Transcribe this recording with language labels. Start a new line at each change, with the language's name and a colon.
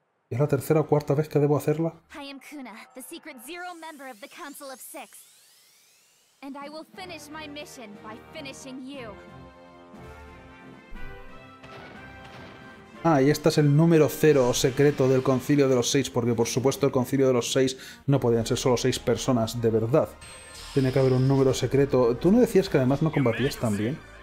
Spanish: ¿Y es la tercera o cuarta vez que debo hacerla?
English: I am Kuna, the secret zero member of the Council of Six. And I will finish my mission by finishing you.
Spanish: Ah, y este es el número cero secreto del Concilio de los Seis, porque por supuesto el Concilio de los Seis no podían ser solo seis personas, de verdad. Tiene que haber un número secreto. ¿Tú no decías que además no combatías tan bien?